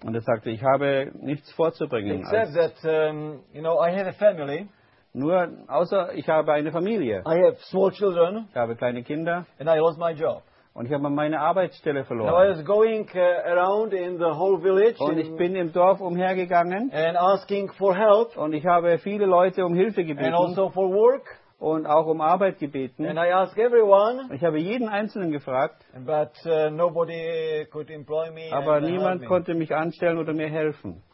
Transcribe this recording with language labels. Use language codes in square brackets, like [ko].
[de] Und er sagte, ich habe nichts vorzubringen. [en] Except that, you know, I have a family. [de] Nur, außer ich habe eine Familie. [en] I have small children. [de] Ich habe kleine Kinder. [en] And I lost my job. [de] Und ich habe meine Arbeitsstelle verloren. [en] Now I was going around in the whole village. [de] Und ich bin im Dorf umhergegangen. [en] And asking for help. [de] Und ich habe viele Leute um Hilfe gebeten. [en] And also for work. [de] Und auch um Arbeit gebeten. [en] And I asked everyone. [de] Und ich habe jeden Einzelnen gefragt. [en] But nobody could employ me. [de] Aber niemand konnte mich anstellen oder mir helfen.